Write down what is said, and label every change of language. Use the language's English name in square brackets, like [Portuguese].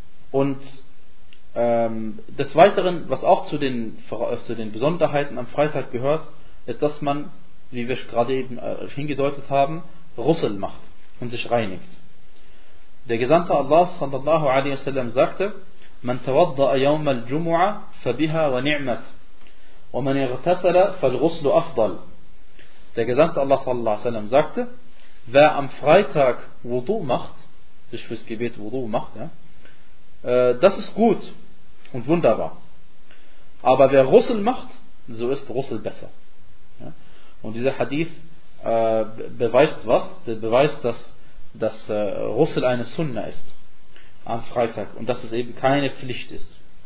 [German] Und des Weiteren, was auch zu den Besonderheiten am Freitag gehört, ist, dass man, wie wir gerade eben hingedeutet haben, Rusl macht und sich reinigt. Der Gesandte Allah sallallahu alaihi wasallam sagte: [Arabic] من توضأ يوم الجمعة فبها ونعمة ومن اغتسل فالغسل أفضل. [German] Der Gesandte Allah sallallahu alaihi wa sallam sagte, wer am Freitag Wudu macht, sich fürs Gebet Wudu macht, ja, das ist gut und wunderbar. Aber wer Ghusl macht, so ist Ghusl besser. Ja. Und dieser Hadith beweist was? Der beweist, dass Ghusl eine Sunna ist am Freitag und dass es eben keine Pflicht ist.